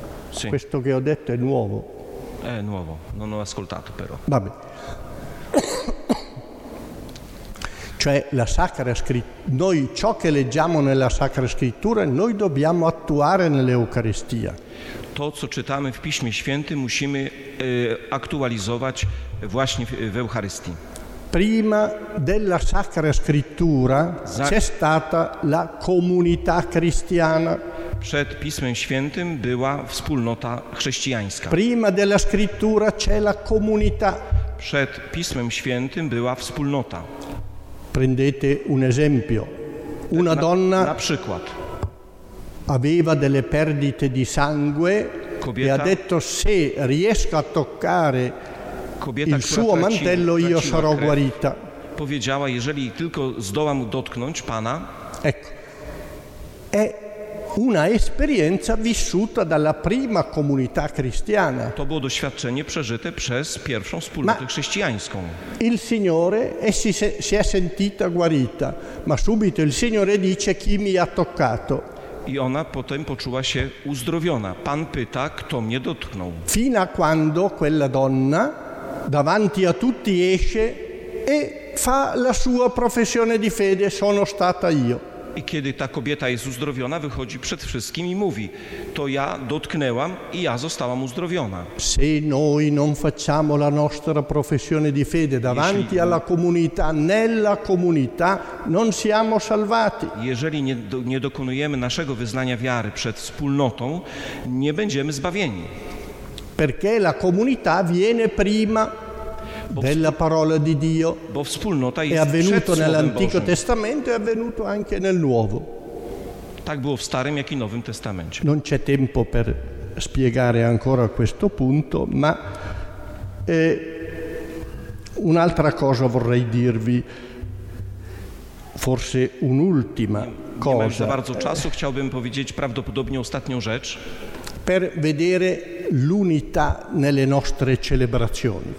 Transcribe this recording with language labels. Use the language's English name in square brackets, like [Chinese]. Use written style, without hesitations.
[Italian] Sì. Questo che ho detto è nuovo. È nuovo, non ho ascoltato però. Vabbè. Cioè la Sacra Scrittura, noi ciò che leggiamo nella Sacra Scrittura noi dobbiamo attuare nell'Eucaristia. [Polish] To co czytamy w Piśmie Świętym musimy aktualizować właśnie w Eucharystii. [Italian] Prima della Sacra Scrittura c'è stata la comunità cristiana. [Polish] Przed Pismem Świętym była wspólnota chrześcijańska. [Italian] Prima della scrittura c'è la comunità. [Polish] Przed Pismem Świętym była wspólnota. [Italian] Prendete un esempio. Una donna [Polish] na przykład [Italian] aveva delle perdite di sangue. [Polish] Kobieta, [Italian] e ha detto se riesco a toccare il suo mantello io sarò guarita. [Polish] Powiedziała, jeżeli tylko zdołam dotknąć Pana. [Italian] Ecco. È una esperienza vissuta dalla prima comunità cristiana. [Polish] To było doświadczenie przeżyte przez pierwszą wspólnotę chrześcijańską. [Italian] Il Signore si è sentita guarita, ma subito il Signore dice chi mi ha toccato. [Polish] I ona potem poczuła się uzdrowiona. Pan pyta, kto mnie dotknął. [Italian] Fino a quando quella donna davanti a tutti esce e fa la sua professione di fede, sono stata io. [Polish] I kiedy ta kobieta jest uzdrowiona, wychodzi przed wszystkim i mówi: to ja dotknęłam i ja zostałam uzdrowiona. [Italian] Se noi non facciamo la nostra professione di fede davanti alla comunità, nella comunità, non siamo salvati. [Polish] Jeżeli nie dokonujemy naszego wyznania wiary przed wspólnotą, nie będziemy zbawieni. [Italian] Perché la comunità viene prima della parola di Dio. [Polish] Bo wspólnota jest [Italian] è avvenuto nell'Antico Testamento e è avvenuto anche nel Nuovo. [Polish] Tak było w Starym, jak i Nowym Testamencie. [Italian] Non c'è tempo per spiegare ancora questo punto, ma un'altra cosa vorrei dirvi, forse un'ultima cosa. [Polish] Nie ma już za bardzo czasu, chciałbym powiedzieć prawdopodobnie ostatnią rzecz. [Italian] Per vedere l'unità nelle nostre celebrazioni.